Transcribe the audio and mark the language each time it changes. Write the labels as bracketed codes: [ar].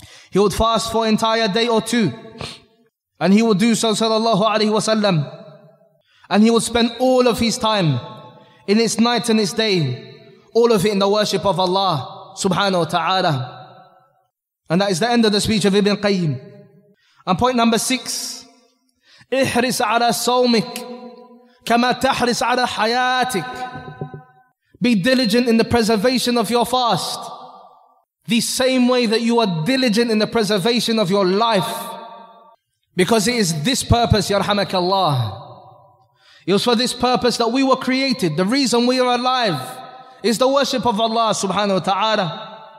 [en] He would fast for an entire day or two, and he would do so sallallahu alaihi wasallam, and he would spend all of his time in its night and its day, all of it in the worship of Allah subhanahu wa ta'ala. And that is the end of the speech of Ibn Qayyim. And point number six, [ar] احرص على صومك كما تحرص على حياتك. [en] Be diligent in the preservation of your fast, the same way that you are diligent in the preservation of your life. Because it is this purpose, yarhamakallah. It was for this purpose that we were created. The reason we are alive is the worship of Allah subhanahu wa ta'ala.